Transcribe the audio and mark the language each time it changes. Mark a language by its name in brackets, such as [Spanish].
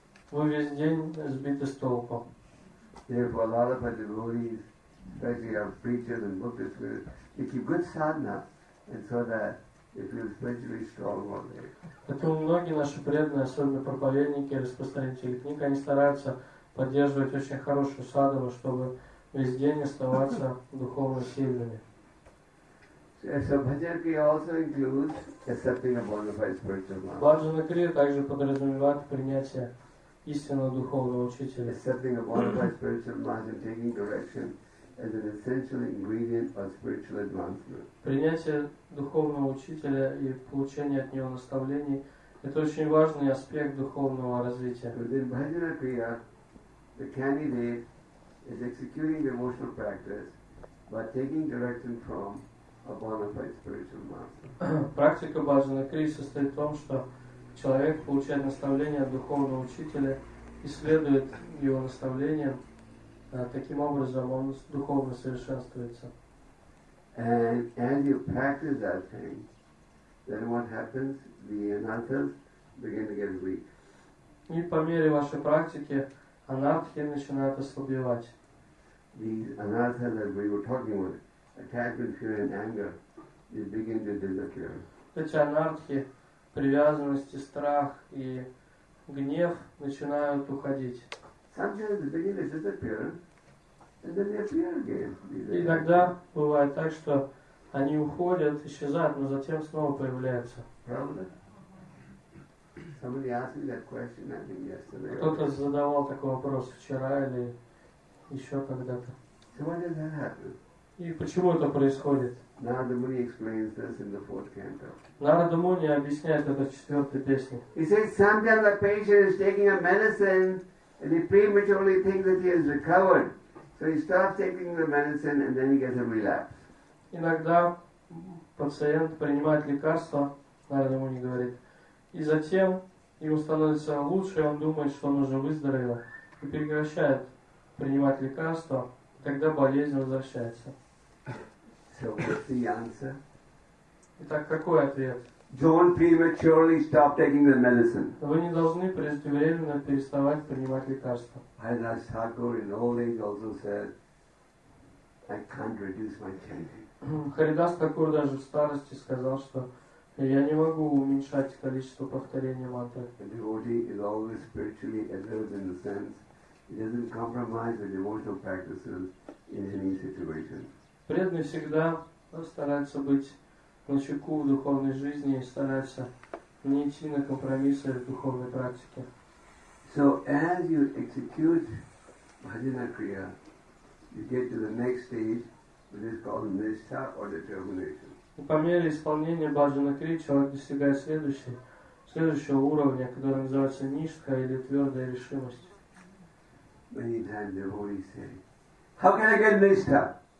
[Russian] Вы весь день сбиты с толку. [English] Therefore, a lot of our devotees, especially our preachers and book distributors, they keep good sadhana, and so that they feel spiritually strong all day. [Russian] Поэтому многие наши преданные, особенно проповедники, распространители книг, они стараются поддерживать очень хорошую садхану, чтобы весь день оставаться духовно сильными. [English] So Bhajana Kriya also includes accepting a bona fide spiritual master. [Russian] Bhajana Kriya также подразумевает принятие истинного духовного учителя. [English] Accepting a bona fide spiritual master, taking direction as an essential ingredient for spiritual advancement. [Russian] Принятие духовного учителя и получение от него наставлений – это очень важный аспект духовного развития. [English] Within Bhajana Kriya, the candidate is executing devotional practice by taking direction from a bona fide spiritual master. [Russian] Практика Bhajana Kriya состоит в том, что человек получает наставление от духовного учителя и следует его наставлениям. Таким образом он духовно совершенствуется. [English] And as you practice that thing, then what happens? The anarthas begin to get weak. [Russian] И по мере вашей практики анартхи начинают ослабевать. [English] The anarthas that we were talking with, attachment, fear and anger, they begin to disappear. [Russian] Эти анартхи, привязанности, страх и гнев начинают уходить. [English] Sometimes they begin to disappear. [Russian] И тогда бывает так, что они уходят, исчезают, но затем снова появляются. Кто-то задавал такой вопрос вчера или еще когда-то. И почему это происходит? [English] Narada Muni explains this in the fourth canto. [Russian] Narada Muni объясняет это в четвертой песне. [English] He says sometimes a patient is taking a medicine and he prematurely thinks that he has recovered, so he stops taking the medicine and then he gets a relapse. [Russian] Иногда пациент принимает лекарство, Narada Muni говорит, и затем ему становится лучше, и он думает, что он уже выздоровел, и прекращает принимать лекарство, и тогда болезнь возвращается. [English] So what's the answer? [Russian] Итак, какой ответ? [English] Don't prematurely stop taking the medicine. [Russian] Вы не должны преждевременно переставать принимать лекарства. [English] Ajahn Thakur in old age also said, I can't reduce my chanting. [Russian] Харидас Такур даже в старости сказал, что я не могу уменьшать количество повторений мантры. [English] A devotee is always spiritually alert in the sense he doesn't compromise the devotional practices in any situation. [Russian] Преданный всегда старается быть на чеку в духовной жизни и старается не идти на компромиссы в духовной практике. [English] So as you execute bhajana kriya, you get to the next stage, which is called nishtha or determination. [Russian] И по мере исполнения бхаджана кри человек достигает следующего уровня, который называется нишка или твердая решимость. [English] Many times devotees say, how can I get nishtha?